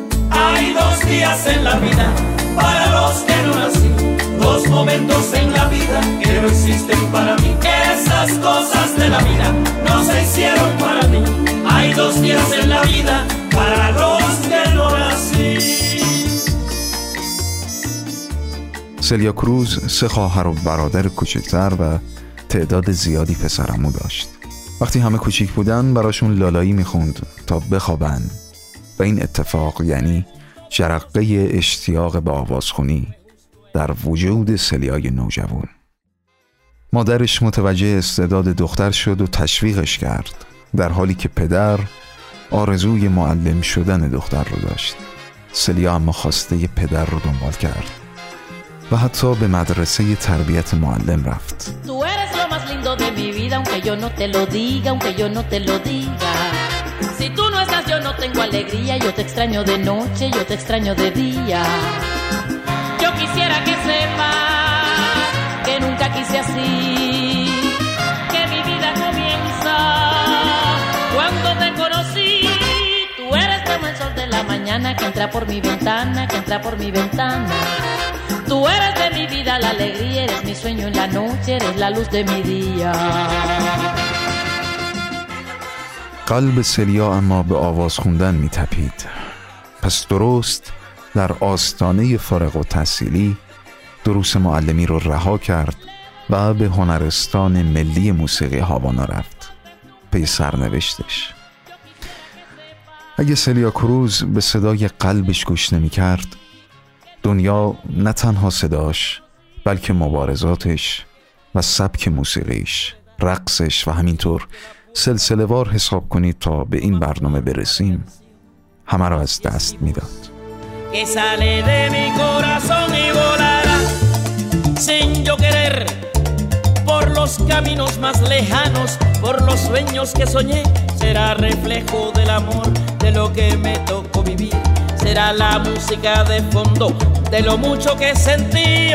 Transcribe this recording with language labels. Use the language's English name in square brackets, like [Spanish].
[Spanish] Hay dos días en la vida para los que no nací, dos momentos en la vida que no existen para mí. Esas cosas de la vida no se hicieron para mí. Hay dos días en la vida para los que no nací. [Persian] Celia Cruz سه خواهر و برادر کوچکتر و تعداد زیادی پسرامو داشت. وقتی همه کوچیک بودن براشون لالایی میخوند تا بخوابن و این اتفاق یعنی جرقه اشتیاق به آوازخونی در وجود سلیای نوجوان. مادرش متوجه استعداد دختر شد و تشویقش کرد، در حالی که پدر آرزوی معلم شدن دختر رو داشت. سلیا اما خواسته پدر رو دنبال کرد و حتی به مدرسه تربیت معلم رفت. [Spanish] De mi vida, aunque yo no te lo diga, aunque yo no te lo diga. Si tú no estás, yo no tengo alegría. Yo te extraño de noche, yo te extraño de día. Yo quisiera que sepas que nunca quise así, que mi vida comienza cuando te conocí. Tú eres como el sol de la mañana que entra por mi ventana, que entra por mi ventana. Tú eres de mi vida la alegría, eres mi sueño en la noche, eres la luz de mi día. [Persian] قلب سلیا اما به آواز خوندن می تپید. پس درست در آستانه فارغ التحصیلی دروس معلمی رو رها کرد و به هنرستان ملی موسیقی هاوانا رفت پی سرنوشتش. اگه سلیا کروز به صدای قلبش گوش نمی کرد، دنیا نه تنها صداش بلکه مبارزاتش و سبک موسیقیش، رقصش و همینطور سلسله وار حساب کنید تا به این برنامه برسیم همه را از دست می داد. [Spanish] Que sale de mi corazón y volará sin yo querer por los caminos más lejanos, por los sueños que soñé. Será reflejo del amor de lo que me tocó vivir. Será la música de fondo de lo mucho que sentí.